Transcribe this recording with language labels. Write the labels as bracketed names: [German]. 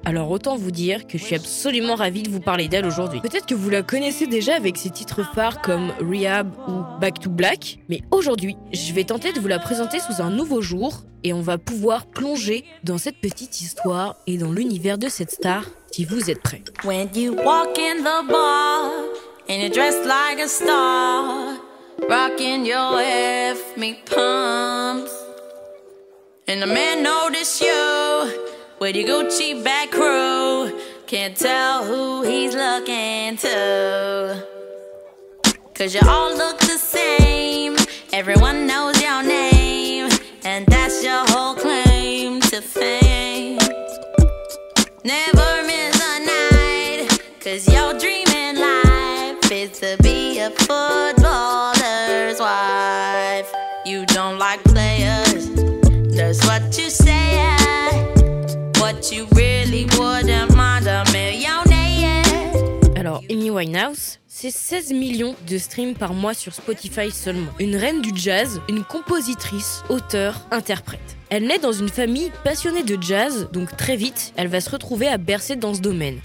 [French] Alors autant vous dire que je suis absolument ravie de vous parler d'elle aujourd'hui. Peut-être que vous la connaissez déjà avec ses titres phares comme Rehab ou Back to Black, mais aujourd'hui, je vais tenter de vous la présenter sous un nouveau jour et on va pouvoir plonger dans cette petite histoire et dans l'univers de cette star. Si vous êtes prêts. [English] When you walk in the bar and you're dressed like a star, rocking your F-me pumps, and the man notice you with your Gucci back crew, can't tell who he's looking to, cause you all look the same, everyone knows your name, and that's your whole claim to fame. Never miss, cause your dream in life is to be a footballer's wife. You don't like players, that's what you say. What you really wouldn't mind a millionaire. [French] Alors, Amy Winehouse, c'est 16 millions de streams par mois sur Spotify seulement. Une reine du jazz, une compositrice, auteur, interprète. Elle naît dans une famille passionnée de jazz, donc très vite, elle va se retrouver à bercer dans ce domaine.